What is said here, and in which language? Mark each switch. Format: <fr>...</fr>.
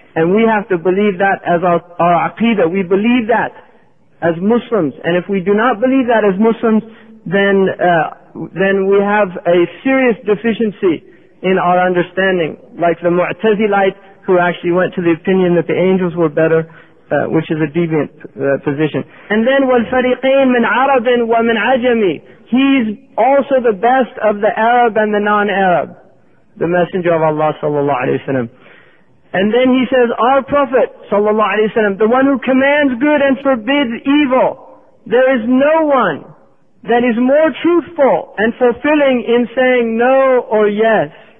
<en>And we have to believe that as our aqidah. We believe that as Muslims. And if we do not believe that as Muslims, then we have a serious deficiency in our understanding, like the Mu'tazilite, who actually went to the opinion that the angels were better, which is a deviant position. And then</en> <ar>وَالْفَرِقَيْن مِنْ عَرَبٍ وَمِنْ عَجَمِي.</ar> <en>He's also the best of the Arab and the non-Arab, the Messenger of Allah sallallahu alayhi wa sallam. And then he says, our Prophet sallallahu alayhi wa sallam, the one who commands good and forbids evil, there is no one that is more truthful and fulfilling in saying no or yes.</en>